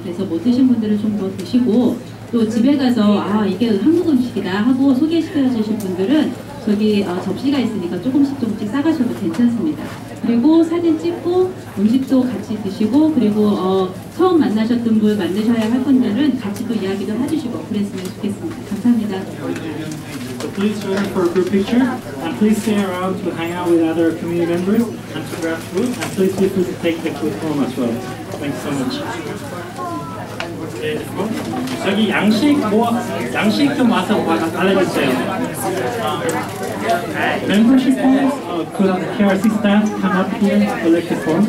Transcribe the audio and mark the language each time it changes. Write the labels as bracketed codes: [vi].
[ko] 그래서 못 드신 분들은 좀 더 드시고 또 집에 가서 아 이게 한국 음식이다 하고 소개시켜 주실 분들은 저기 접시가 있으니까 조금씩 조금씩 싸가셔도 괜찮습니다. 그리고 사진 찍고 음식도 같이 드시고 그리고 처음 만나셨던 분 만드셔야 할 분들은 같이 또 이야기도 해주시고 그랬으면 좋겠습니다. 감사합니다. [en] So please join me for a group picture and please stay around to hang out with other community members and to grab food and please feel free to take the food home as well. Thanks so much. [ko] 네, 저기 양식 좀 와서 달라주세요. [en] Membership forms, could the KRC staff come up here and collect the forms?